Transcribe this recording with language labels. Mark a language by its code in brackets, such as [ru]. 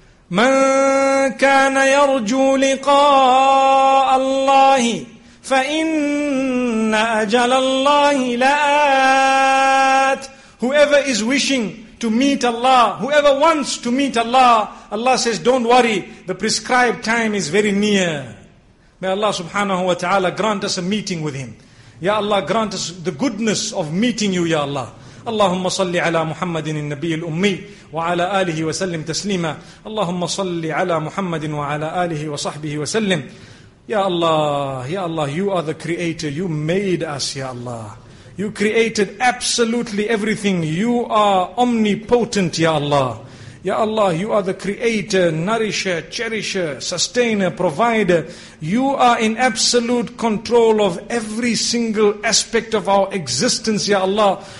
[ar] مَن كَانَ يَرْجُو لِقَاءَ اللَّهِ فَإِنَّ أَجَلَ اللَّهِ لَآتٍ. [en] Whoever is wishing to meet Allah, whoever wants to meet Allah, Allah says, don't worry, the prescribed time is very near. May Allah subhanahu wa ta'ala grant us a meeting with Him. Ya Allah, grant us the goodness of meeting You, Ya Allah. [ar] اللهم صل على محمد النبي الأمي وعلى آله وسلم تسليما. اللهم صل على محمد وعلى آله وصحبه وسلم. [en] Ya Allah, Ya Allah, You are the creator. You made us, Ya Allah. You created absolutely everything. You are omnipotent, Ya Allah. Ya Allah, You are the creator, nourisher, cherisher, sustainer, provider. You are in absolute control of every single aspect of our existence, Ya Allah.